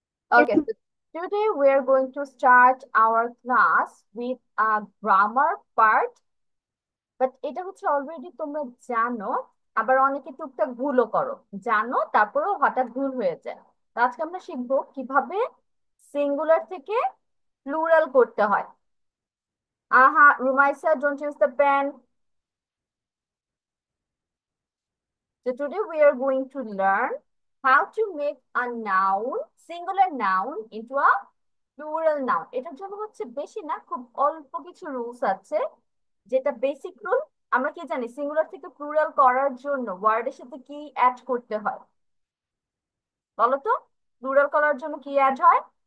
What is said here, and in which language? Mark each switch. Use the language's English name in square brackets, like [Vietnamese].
[English] Okay, so today we are going to start our class with a grammar part. [Bangla] But এটা হচ্ছে already তোমরা জানো, আবার অনেকে টুকটাক ভুলও করো, জানো তারপরেও হঠাৎ ভুল হয়ে যায়। তো আজকে আমরা শিখবো কিভাবে সিঙ্গুলার থেকে প্লুরাল করতে হয়। [English] আহা, Rumaisa, don't use the pen. So today we are going to learn how to make a noun, singular noun, into a plural noun. [Bangla] এটার জন্য হচ্ছে বেশি না, খুব অল্প কিছু রুলস আছে। যেটা বেসিক রুল, আমরা কি জানি সিঙ্গুলার থেকে প্লুরাল করার জন্য ওয়ার্ডের সাথে কি অ্যাড করতে হয় বলতো? প্লুরাল করার জন্য কি অ্যাড হয়?